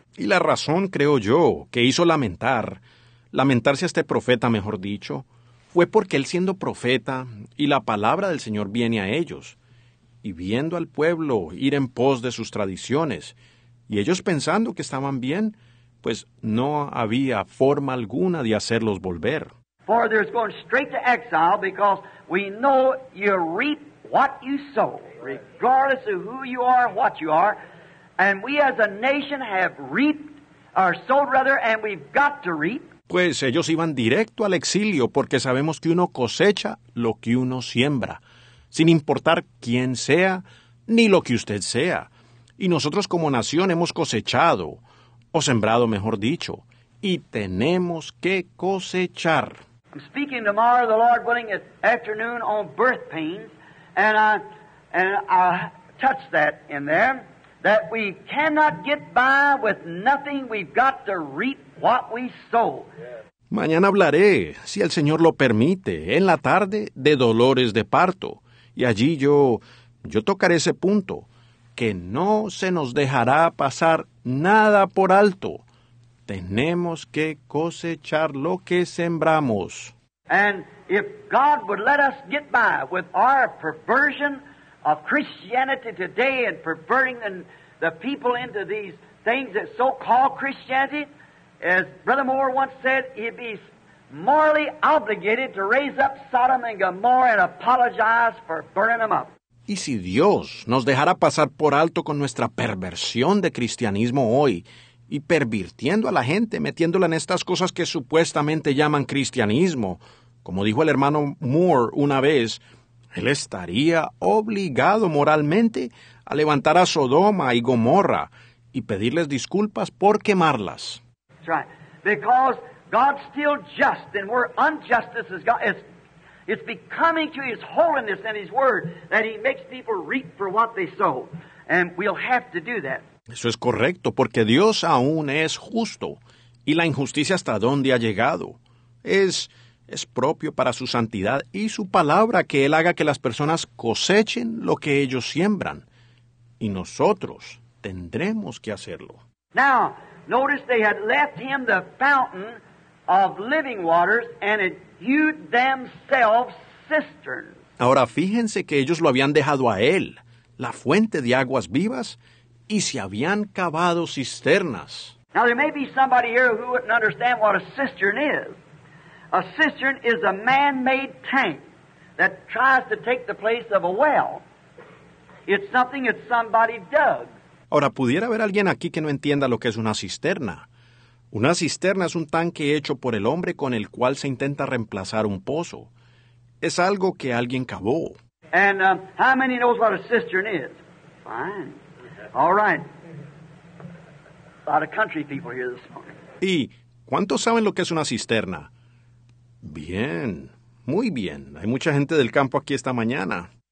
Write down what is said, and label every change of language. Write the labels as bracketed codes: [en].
[es] Y la razón, creo yo, que hizo lamentarse a este profeta, mejor dicho, fue porque él siendo profeta, y la palabra del Señor viene a ellos, y viendo al pueblo ir en pos de sus tradiciones, y ellos pensando que estaban bien, pues no había forma alguna de hacerlos volver. [en] For there's going straight to exile because we know you reap what you sow, regardless of who you are, what you are, and we as a nation have reaped, or sowed rather, and we've got to reap. [es] Pues ellos iban directo al exilio porque sabemos que uno cosecha lo que uno siembra, sin importar quién sea ni lo que usted sea. Y nosotros como nación hemos cosechado, o sembrado mejor dicho, y tenemos que cosechar. [en] I'm speaking tomorrow, the Lord willing, at afternoon on birth pains, and I touch that in there, that we cannot get by with nothing, we've got to reap what we sow. [es] Mañana hablaré, si el Señor lo permite, en la tarde, de dolores de parto. Y allí yo tocaré ese punto, que no se nos dejará pasar nada por alto. Tenemos que cosechar lo que sembramos. [en] And if God would let us get by with our perversion of Christianity today and perverting the people into these things that so-called Christianity, as Brother Moore once said, he'd be morally obligated to raise up Sodom and Gomorrah and apologize for burning them up. [es] Y si Dios nos dejara pasar por alto con nuestra perversión de cristianismo hoy y pervirtiendo a la gente, metiéndola en estas cosas que supuestamente llaman cristianismo, como dijo el hermano Moore una vez, él estaría obligado moralmente a levantar a Sodoma y Gomorra y pedirles disculpas por quemarlas. [en] That's right. Because God's still just, and we're unjust as God. It's becoming to His holiness and His Word that He makes people reap for what they sow. And we'll have to do that. [es] Eso es correcto, porque Dios aún es justo. Y la injusticia hasta dónde ha llegado. Es propio para su santidad y su palabra que Él haga que las personas cosechen lo que ellos siembran. Y nosotros tendremos que hacerlo. [en] Now, notice they had left him the fountain of living waters and had hewed themselves cisterns. [es] Ahora, fíjense que ellos lo habían dejado a Él, la fuente de aguas vivas, y se habían cavado cisternas. [en] Now, there may be somebody here who wouldn't understand what a cistern is. A cistern is a man-made tank that tries to take the place of a well. It's something that somebody dug. [es] Ahora, ¿pudiera haber alguien aquí que no entienda lo que es una cisterna? Una cisterna es un tanque hecho por el hombre con el cual se intenta reemplazar un pozo. Es algo que alguien cavó. [en] And how many knows what a cistern is? Fine. All right. A lot of country people here this morning. [es] ¿Y cuántos saben lo que es una cisterna? Bien. Muy bien. Hay mucha gente del campo aquí esta mañana.